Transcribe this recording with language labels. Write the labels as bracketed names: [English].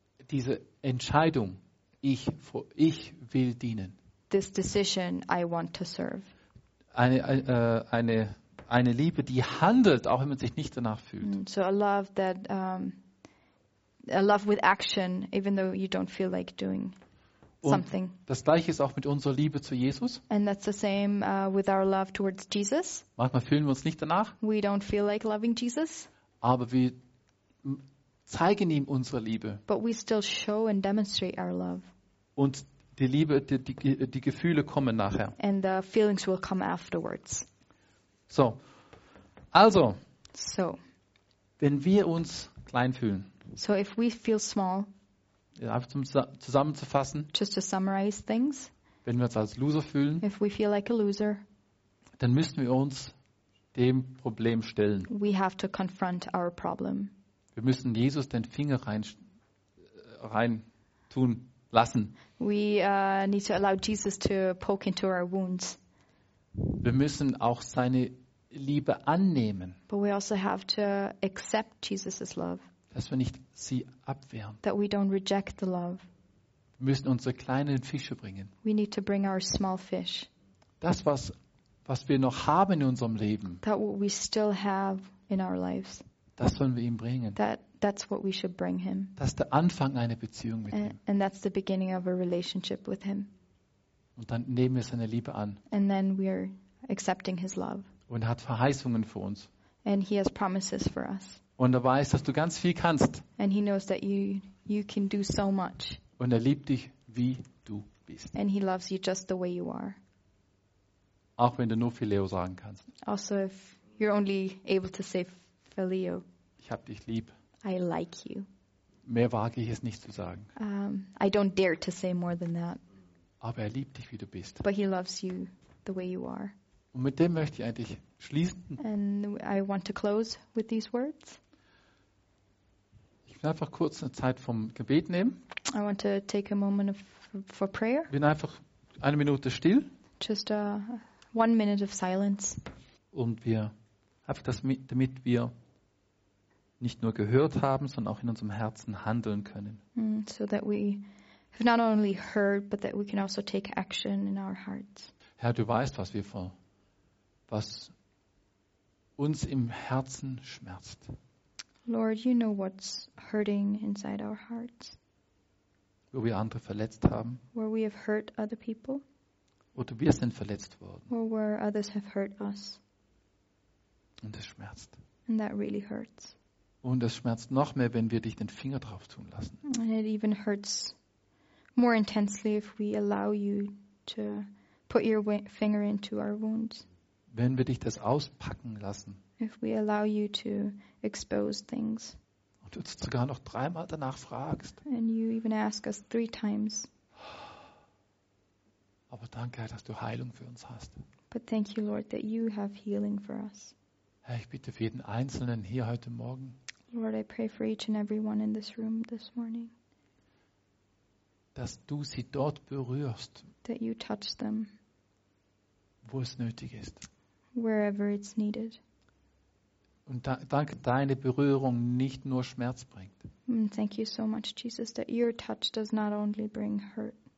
[German] Diese Entscheidung, ich will dienen. [English] This decision, I want to serve. [German] Eine Liebe, die handelt, auch wenn man sich nicht danach fühlt. [English] So a love that a love with action, even though you don't feel like doing something. [German] Und das gleiche ist auch mit unserer Liebe zu Jesus. [English] And that's the same with our love towards Jesus. [German] Manchmal fühlen wir uns nicht danach. [English] We don't feel like loving Jesus. [German] Aber wir zeigen ihm unsere Liebe. [English] But we still show and demonstrate our love. [German] Und die Liebe, die Gefühle kommen nachher. [English] And the feelings will come afterwards. [German] So, also, [English] so, [German] wenn wir uns klein fühlen, [English] so if we feel small, [German] einfach zum zusammenzufassen, [English] just to summarize things, [German] wenn wir uns als Loser fühlen, [English] if we feel like a loser, [German] dann müssen wir uns dem Problem stellen. [English] We have to confront our problem. [German] Wir müssen Jesus den Finger rein tun lassen. [English] We need to allow Jesus to poke into our wounds. [German] Wir müssen auch seine Liebe annehmen. [English] But we also have to accept Jesus's love. [German] Dass wir nicht sie abwehren. [English] That we don't reject the love. [German] Wir müssen unsere kleinen Fische bringen. [English] We need to bring our small fish. [German] Das, was wir noch haben in unserem Leben. [English] That what we still have in our lives. [German] Das sollen wir ihm bringen. [English] That's what we should bring him. [German] Das ist der Anfang einer Beziehung mit ihm. [English] And that's the beginning of a relationship with him. [German] Und dann nehmen wir seine Liebe an. [English] And then we are accepting his love. [German] Und er hat Verheißungen für uns. [English] And he has promises for us. [German] Und er weiß, dass du ganz viel kannst. [English] And he knows that you can do so much. [German] Und er liebt dich, wie du bist. [English] And he loves you just the way you are. [German] Auch wenn du nur Phileo sagen kannst. [English] Also if you're only able to say Phileo. [German] Ich hab dich lieb. [English] I like you. [German] Mehr wage ich es nicht zu sagen. [English] I don't dare to say more than that. [German] Aber er liebt dich, wie du bist. [English] But he loves you the way you are. [German] Und mit dem möchte ich eigentlich schließen. [English] And I want to close with these words. [German] Ich will einfach kurz eine Zeit vom Gebet nehmen. [English] I want to take a moment for prayer. [German] Bin einfach eine Minute still. [English] Just one minute of silence. [German] Und wir einfach das mit, damit wir nicht nur gehört haben, sondern auch in unserem Herzen handeln können. [English] So that we have not only heard, but that we can also take action in our hearts. [German] Herr, du weißt, was uns im Herzen schmerzt. [English] Lord, you know what's hurting inside our hearts. [German] Wo wir andere verletzt haben. [English] Where we have hurt other people. [German] Oder wir sind verletzt worden. [English] Or where others have hurt us. [German] Und es schmerzt. [English] And that really hurts. [German] Und es schmerzt noch mehr, wenn wir dich den Finger drauf tun lassen. [English] And it even hurts more intensely if we allow you to put your finger into our wounds. [German] Wenn wir dich das auspacken lassen. [English] If we allow you to expose things. [German] Und du uns sogar noch dreimal danach fragst. [English] And you even ask us three times. [German] Aber danke, dass du Heilung für uns hast. [English] But thank you, Lord, that you have healing for us. [German] Herr, ich bitte für jeden Einzelnen hier heute Morgen. [English] Lord, I pray for each and everyone in this room this morning. [German] Dass du sie dort berührst. [English] That you touch them. [German] Wo es nötig ist. [English] Wherever it's needed. [German] Und danke, deine Berührung nicht nur Schmerz bringt. [English] And thank you so much, Jesus, that your touch does not only bring hurt.